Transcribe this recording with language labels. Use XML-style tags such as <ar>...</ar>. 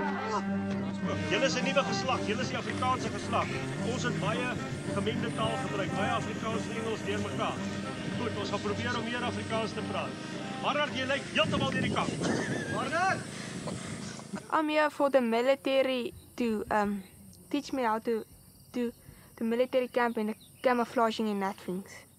<af>Julle is 'n nuwe geslag, julle is die Afrikaanse geslag. Ons het baie gemengde taal gebruik, baie Afrikaans en Engels deur mekaar. Goed, ons gaan probeer om meer Afrikaans te praat. Marnard, jy lyk heeltemal deur die kamp. Marnard!</af> <en>I'm here for the military to teach me how to the military camp and the camouflaging and that things.</en>